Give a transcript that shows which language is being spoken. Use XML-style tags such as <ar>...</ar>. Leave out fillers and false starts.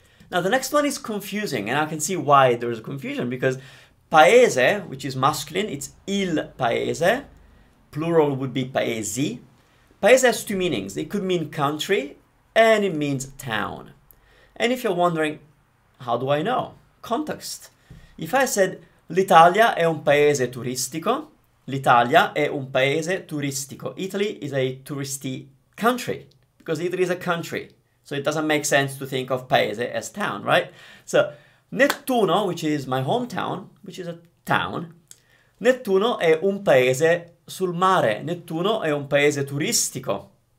<en>Now the next one is confusing, and I can see why there is a confusion, because paese, which is masculine, it's il paese, plural would be paesi. Paese has two meanings. It could mean country and it means town. And if you're wondering, how do I know? Context. If I said,</en> <it>l'Italia è un paese turistico, l'Italia è un paese turistico.</it> <en>Italy is a touristy country, because Italy is a country. So it doesn't make sense to think of paese as town, right? So, Nettuno, which is my hometown, which is a town,</en> <it>Nettuno è un paese sul mare, Nettuno è un paese turistico.</it>